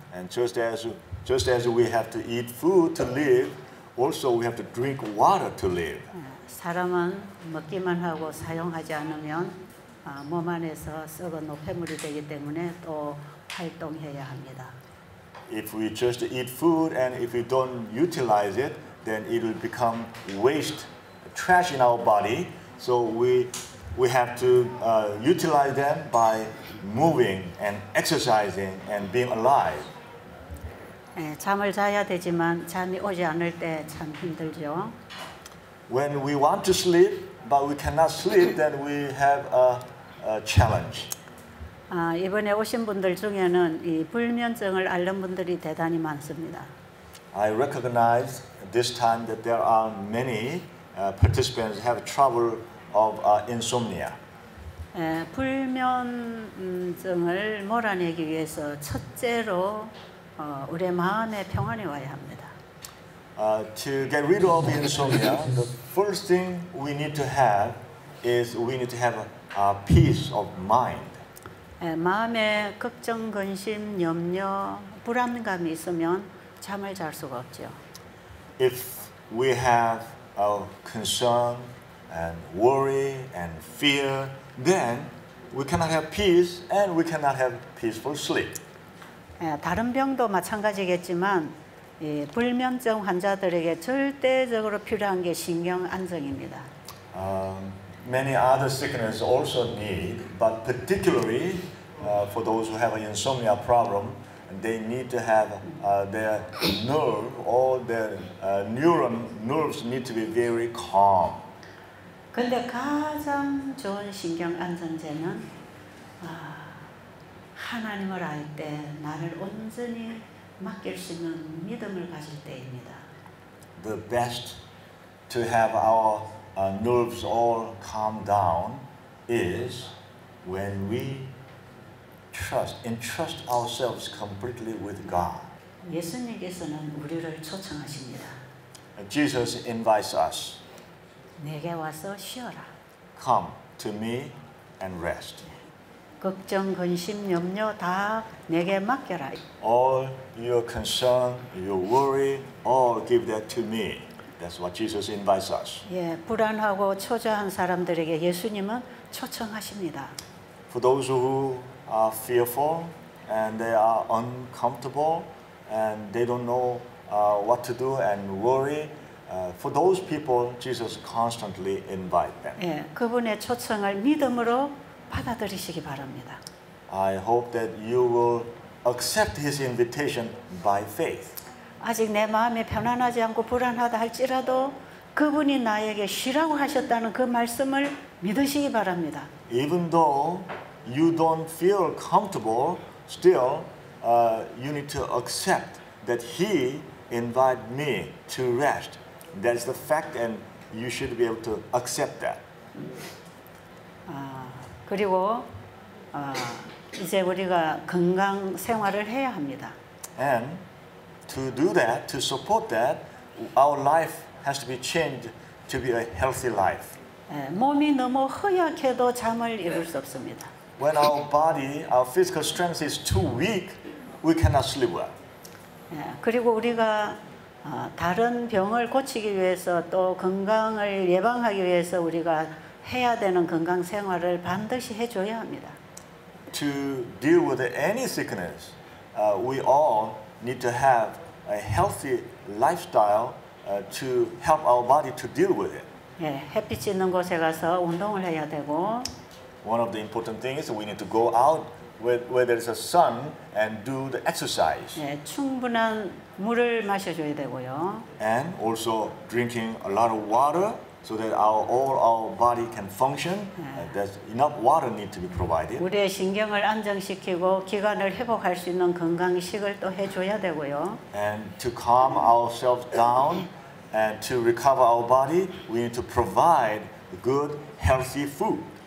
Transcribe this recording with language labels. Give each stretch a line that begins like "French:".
English: And just as we have to eat food to live, also we have to drink water to live.
Korean: 사람은 먹기만 하고 사용하지 않으면 몸 안에서 썩어 노폐물이 되기 때문에 또 활동해야 합니다.
English: If we just eat food and if we don't utilize it, then it will become waste, trash in our body. So we have to utilize them by moving and exercising and being alive.
Korean: 네, 잠을 자야 되지만 잠이 오지 않을 때 참 힘들죠.
English: When we want to sleep but we cannot sleep, then we have a challenge.
Korean: 아, 이번에 오신 분들 중에는 이 불면증을 앓는 분들이 대단히 많습니다.
English: I recognize this time that there are many participants have trouble of insomnia.
Korean: 에, 불면증을 몰아내기 위해서 첫째로 우리의 마음에 평안이 와야 합니다.
English: To get rid of insomnia, the first thing we need to have is we need to have a peace of mind.
Korean: 에, 마음에 걱정, 근심, 염려, 불안감이 있으면 잠을 잘 수가 없죠.
English: If we have a concern and worry and fear, then we cannot have peace and we cannot have peaceful sleep.
Korean: 다른 병도 마찬가지겠지만 이 불면증 환자들에게 절대적으로 필요한 게 신경 안정입니다.
English: Many other sickness also need, but particularly for those who have an insomnia problem, they need to have their nerve or their nerves need to be very calm.
Korean: 근데 가장 좋은 신경 안정제는 하나님을 알 때 나를 온전히 맡길 수 있는 믿음을 가질 때입니다.
English: The best to have our nerves all calm down is when we entrust ourselves completely with God.
Korean: 예수님께서는 우리를 초청하십니다.
English: Jesus invites us.
Korean: 내게 와서 쉬어라.
English: Come to me and rest.
Korean: 걱정, 근심, 염려 다 내게 맡겨라.
English: All your concern, your worry, all give that to me. That's what Jesus invites us.
Korean: 예, 불안하고 초조한 사람들에게 예수님은 초청하십니다.
English: For those who are fearful and they are uncomfortable and they don't know what to do and worry, for those people, Jesus constantly invites them.
Korean: 예, 그분의 초청을 믿음으로 받아들이시기 바랍니다.
English: I hope that you will accept his invitation by faith.
Korean: 아직 내 마음이 편안하지 않고 불안하다 할지라도 그분이 나에게 쉬라고 하셨다는 그 말씀을 믿으시기 바랍니다.
English: Even though you don't feel comfortable, still you need to accept that he invited me to rest. That's the fact and you should be able to accept that.
Korean: 그리고 이제 우리가 건강 생활을 해야 합니다.
English: And to do that, to support that, our life has to be changed to be a healthy life.
Korean: 몸이 너무 허약해도 잠을 이룰 수 없습니다.
English: When our body, our physical strength is too weak, we cannot sleep well.
Korean: 그리고 우리가 다른 병을 고치기 위해서 또 건강을 예방하기 위해서 우리가 해야 되는 건강 생활을 반드시 해줘야 합니다.
English: To deal with any sickness, we all need to have a healthy lifestyle to help our body to deal with it.
Korean: 예, 햇빛 있는 곳에 가서 운동을 해야 되고.
English: One of the important things is we need to go out where there is a sun and do the exercise.
Korean: 예, 충분한 물을 마셔줘야 되고요.
English: And also drinking a lot of water. so that all our body can function. There's enough water need to be provided.
Korean: 우리의 신경을 안정시키고 기관을 회복할 수 있는 건강식을 또 해줘야 되고요.
English: And to calm ourselves down and to recover our body, we need to provide good, healthy food.